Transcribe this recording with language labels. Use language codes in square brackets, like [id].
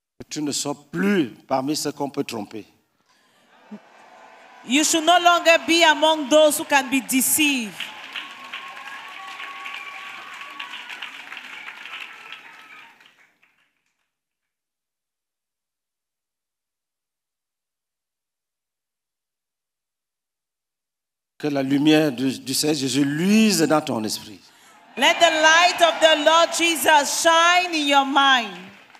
[fr] Tu ne sois plus parmi ceux qu'on peut tromper. [en] You should no longer be among those who can be deceived. [fr] Que la lumière du Seigneur Jésus luise dans ton esprit. [en] Let the light of the Lord Jesus shine in your mind.